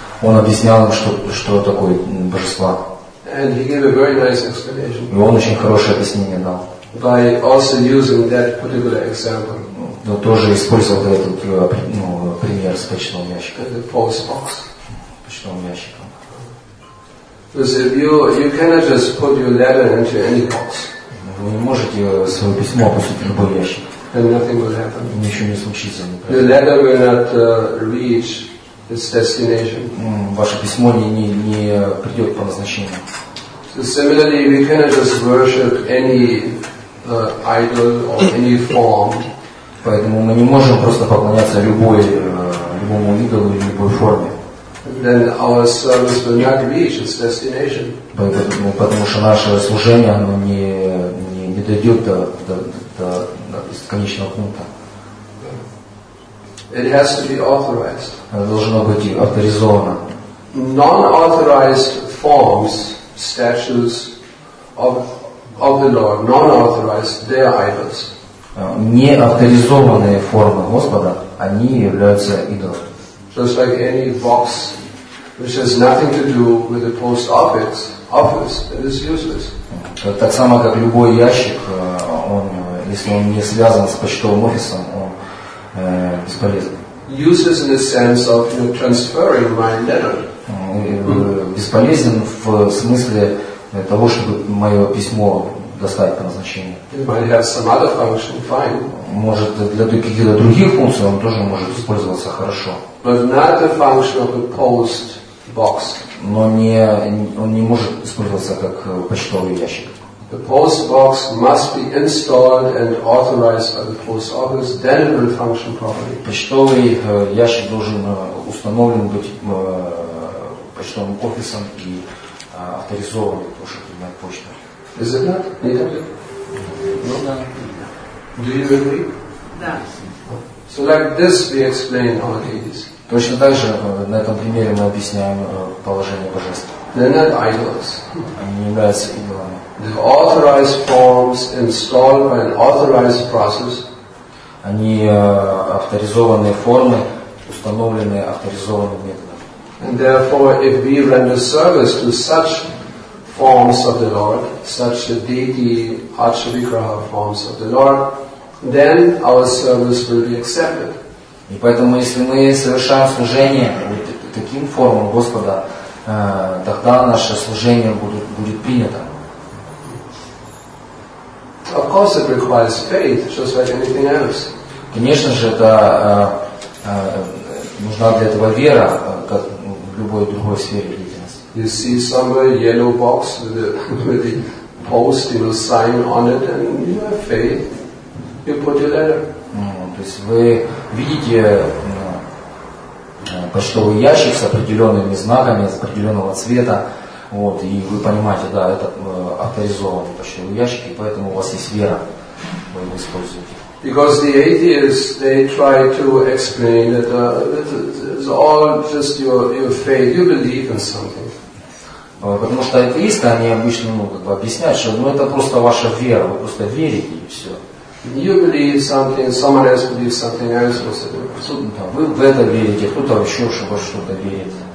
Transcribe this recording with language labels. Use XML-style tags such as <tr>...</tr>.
<ru>Он объяснял им, что такое божества.</ru> <en>And he gave a very nice explanation.</en> <ru>И он очень хорошее объяснение дал.</ru> <en>By also using that particular example.</en> <ru>Но тоже использовал этот пример с почтовым ящиком.</ru> <en>The post box.</en> <ru>Почтовым ящиком.</ru> <en>Because if you cannot just put your letter into any box.</en> <ru>Вы не можете свое письмо опустить в любой ящик.</ru> <en>And nothing will happen.</en> <ru>Ничего не случится. Например.</ru> <en>The letter will not reach its destination.</en> <ru>Ваше письмо не придет по назначению.</ru> <en>So similarly, we cannot just worship any idol or any form.</en> <ru>Поэтому мы не можем просто поклоняться любому идолу или любой форме.</ru> <en>Then our service will not reach its destination.</en> <ru>Потому что наше служение оно не дойдет до конечного пункта.</ru> <en>It has to be authorized.</en> <ru>Это должно быть авторизовано.</ru> <en>Non-authorized forms, statues of the Lord, non-authorized, they are idols.</en> <ru>Неавторизованные формы Господа, они являются идолами.</ru> <en>Just like any box, which has nothing to do with the post office, it is useless.</en> <ru>Так само, как любой ящик, если он не связан с почтовым офисом, он бесполезен.</ru> <en>Useless in the sense of transferring my letter.</en> <ru>Бесполезен в смысле того, чтобы мое письмо доставить по назначению.</ru> <en>It might have some other function, fine.</en> <ru>Может, для каких-то других функций он тоже может использоваться хорошо.</ru> <en>But not the function of the post box.</en> <ru>Но он не может использоваться как почтовый ящик.</ru> <en>The post box must be installed and authorized by the post office, then it will function properly.</en> <ru>Почтовый ящик должен установлен быть почтовым офисом и авторизован, потому что это не почта.</ru> <en>Is it not? Do you agree? Yes. So like this we explain our deities.</en> <ru>Точно так же на этом примере мы объясняем положение божества.</ru> <en>They're not idols.</en> <ru>Они не являются идолами.</ru> <en>The authorized forms installed by an authorized process.</en> <ru>Они авторизованные формы, установленные авторизованным методом.</ru> <en>And therefore, if we render service to such forms of the Lord, such the deity Archivikraha forms of the Lord, then our service will be accepted.</en> <ru>И поэтому, если мы совершаем служение таким формам Господа, тогда наше служение будет принято.</ru> <en>Of course, it requires faith, just like anything else.</en> <ru>Конечно же, это нужна для этого вера, как в любой другой сфере деятельности.</ru> <en>You see somewhere yellow box with the post, you know, sign on it, and you have faith. You put your letter.</en> <ru>То есть вы видите почтовый ящик с определенными знаками, с определенного цвета. Вот, и вы понимаете, да, это авторизованный почтовый ящик, и поэтому у вас есть вера, вы его используете.</ru> <en>Because the atheists, they try to explain that it's all just your faith, you believe in something.</en> <ru>Потому что атеисты, они обычно объясняют, что это просто ваша вера, вы просто верите, и все.</ru> <en>You believe something, someone else believes something else, what's the difference?</en> <ru>Да, вы в это верите, кто-то еще во что-то верит.</ru>